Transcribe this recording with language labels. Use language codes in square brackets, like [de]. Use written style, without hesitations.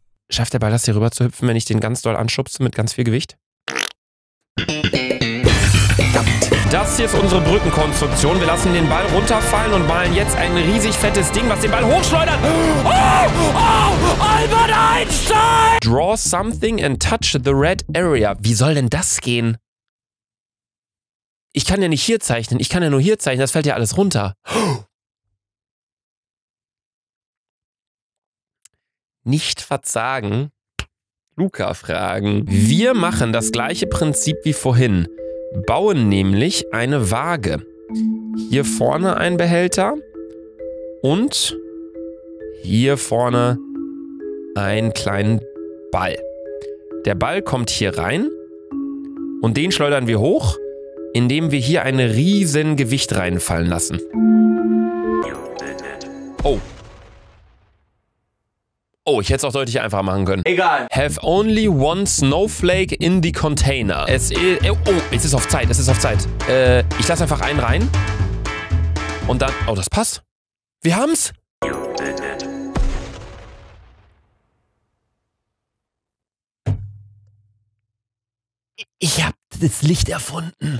[de] Schafft der Ball das hier rüber zu hüpfen, wenn ich den ganz doll anschubse mit ganz viel Gewicht? Das hier ist unsere Brückenkonstruktion. Wir lassen den Ball runterfallen und malen jetzt ein riesig fettes Ding, was den Ball hochschleudert. Oh, oh, Albert Einstein! [en] Draw something and touch the red area. [de] Wie soll denn das gehen? Ich kann ja nicht hier zeichnen. Ich kann ja nur hier zeichnen. Das fällt ja alles runter. Nicht verzagen. Luca fragen. Wir machen das gleiche Prinzip wie vorhin. Bauen nämlich eine Waage. Hier vorne ein Behälter und hier vorne einen kleinen Ball. Der Ball kommt hier rein und den schleudern wir hoch, indem wir hier ein riesen Gewicht reinfallen lassen. Oh. Oh, ich hätte es auch deutlich einfacher machen können. Egal. [en] Have only one snowflake in the container. [de] Es ist... Oh, es ist auf Zeit, es ist auf Zeit. Ich lasse einfach einen rein. Und dann... Oh, das passt. Wir haben's. [en] You did it. [de] Ich hab das Licht erfunden.